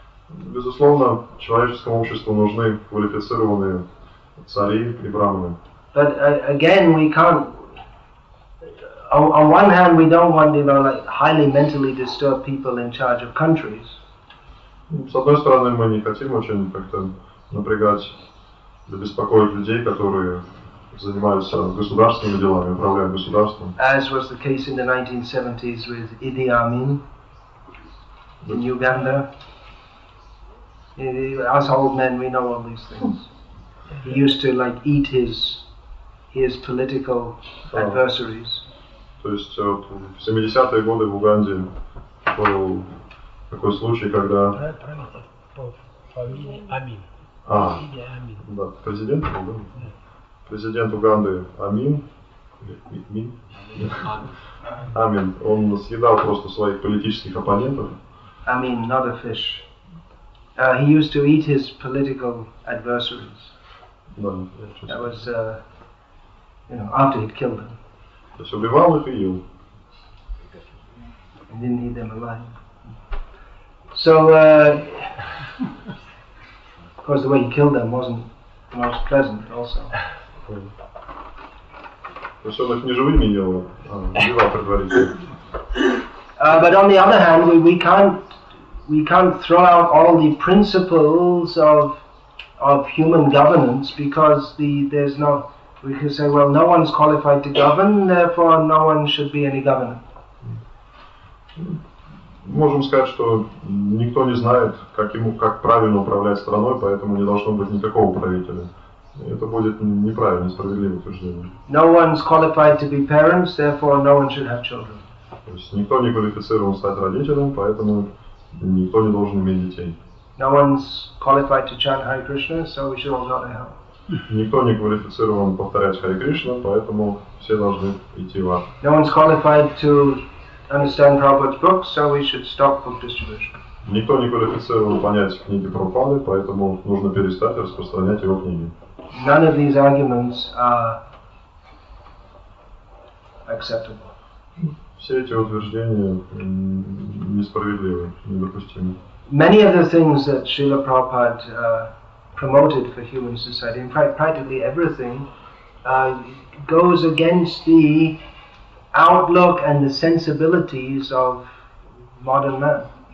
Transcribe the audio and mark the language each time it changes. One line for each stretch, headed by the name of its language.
Russian: Безусловно, человеческому обществу нужны квалифицированные цари и брахманы.
English: But again, we can't. On one hand, we don't want, you know, like highly mentally disturbed people in charge of countries.
Russian: С одной стороны, мы не хотим очень как-то напрягать, беспокоить людей, которые занимаются государственными делами, управляют государством.
English: As was the case in the 1970s with Idi Amin in Uganda. Us old men, we know all these things. He used to like eat his political adversaries.
Russian: То есть вот, в 70-е годы в Уганде был такой случай, когда... Амин. Да, президент был, да? Президент Уганды Амин. Амин. Он съедал просто своих политических оппонентов.
English: Амин, not a fish. He used to eat his political adversaries.
Russian: Да.
English: That was, you know, after he'd killed them.
Russian: То есть убивал их и ел.
English: And didn't eat them alive. So, of course, the way he killed them wasn't the most pleasant also.
Russian: То есть он их не живыми ел, убивал предварительно.
English: But on the other hand, we can't throw out all the principles of of human governance, because there's no, we could say, well, no one's qualified to govern, therefore no one should be any governor.
Russian: Можем сказать, что никто не знает, как правильно управлять страной, поэтому не должно быть никакого правителя. Это будет неправильное, справедливое утверждение.
English: No one's qualified to be parents, therefore no one should have children.
Russian: То есть никто не квалифицирован стать родителем, поэтому никто не должен иметь детей.
English: No one's qualified to chant Hare Krishna, so we should all go to hell.
Russian: Никто не квалифицирован повторять Хари Кришну, поэтому все должны идти в ад.
English: No one's qualified to understand Prabhupada's books, so we should stop book distribution.
Russian: Никто не квалифицирован понять книги Прабхупады, поэтому нужно перестать распространять его книги.
English: None of these arguments are acceptable.
Russian: Все эти утверждения несправедливы, недопустимы.
English: Many of the things that Srila Prabhupada promoted for human society, in fact, practically everything, goes against the outlook and the sensibilities of modern man.